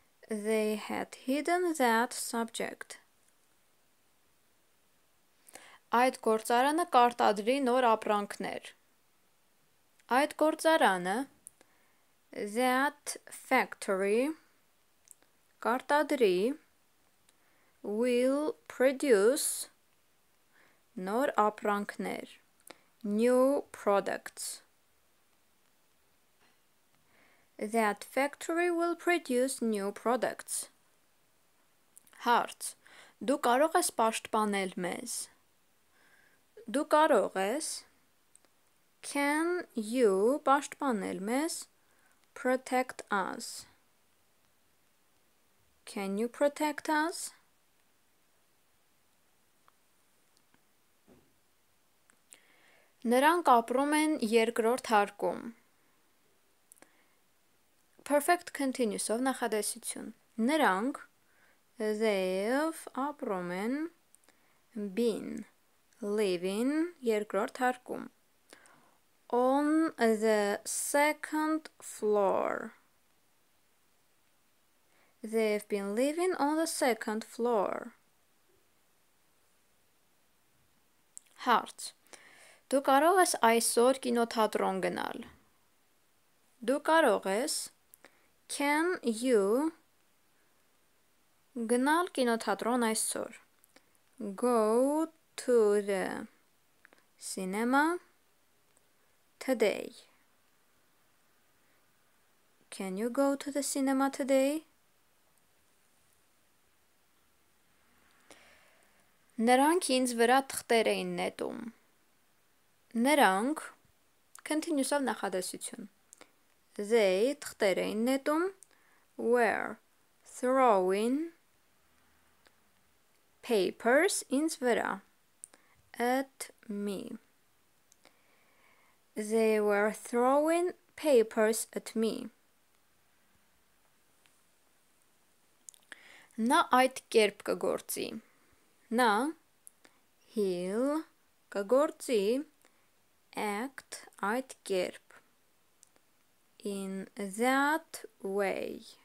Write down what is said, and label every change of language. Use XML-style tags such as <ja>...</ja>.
<en>They had hidden that subject.</en> <hy>Այդ գործարանը կարտադրի նոր ապրանքներ. Այդ գործարանը</hy> <en>that factory</en> <hy>կարտադրի</hy> <en>will produce</en> <hy>նոր ապրանքներ.</hy> <en>New products. That factory will produce new products.</en> <hy>Հարց. Դու կարող ես պաշտպանել մեզ? Դու կարող ես.</hy> <en>Can you</en> <hy>պաշտպանել մեզ?</hy> <en>Protect us. Can you protect us?</en> <hy>Նրանք ապրում են երկրորդ հարկում.</hy> <en>Perfect continuous of նախադասություն.</en> <hy>Նրանք they've ապրում են</hy> <en>been living</en> <hy>երկրորդ հարկում.</hy> <en>On the second floor. They've been living on the second floor.</en> <hy>Հարց. Դու կարող ես այսօր կինոթատրոն գնալ։ Դու կարող ես</hy> <en>Can you</en> <hy>գնալ կինոթատրոն այսօր?</hy> <en>Go to the cinema today. Can you go to the cinema today?</en> <hy>Նրանք ինձ վրա թղթեր էին նետում։ Նրանք continuous of նախադասություն։ They թղթեր էին նետում</hy> <en>were throwing papers</en> <hy>ինձ վրա</hy> <en>at me. They were throwing papers at me.</en> <hy>Նա այդ կերպ կգործի։ Նա he'll կգործի act այդ կերպ.</hy> <en>In that way.</en>